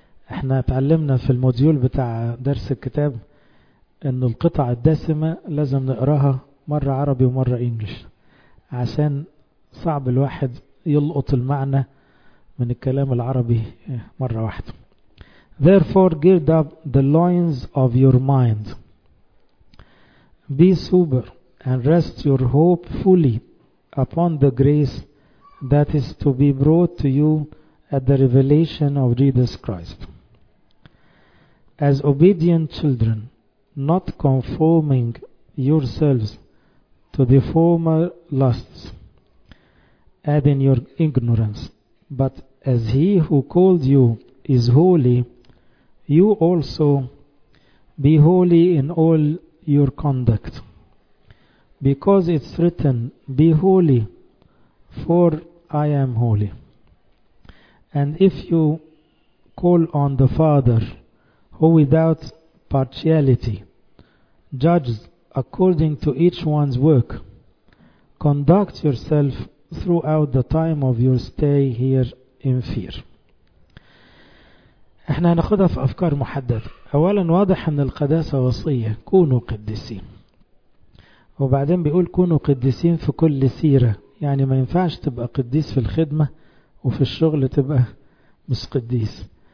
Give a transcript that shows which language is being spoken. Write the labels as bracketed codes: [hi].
[ar] احنا تعلمنا في الموديول بتاع درس الكتاب ان القطع الدسمة لازم نقراها مرة عربي ومرة انجليش، عشان صعب الواحد يلقط المعنى من الكلام العربي مرة واحدة. [en] Therefore, gird up the loins of your mind. Be sober and rest your hope fully upon the grace that is to be brought to you at the revelation of Jesus Christ. As obedient children, not conforming yourselves to the former lusts, add in your ignorance, but as he who called you is holy, you also be holy in all your conduct. Because it's written, be holy, for I am holy. And if you call on the Father, who without partiality judges according to each one's work, conduct yourself throughout the time of your stay here in fear. [ar] احنا هناخدها في افكار محددة. اولا واضح ان القداسة وصية، كونوا قديسين. وبعدين بيقول كونوا قديسين في كل سيرة، يعني ما ينفعش تبقى قديس في الخدمة وفي الشغل تبقى مش قديس.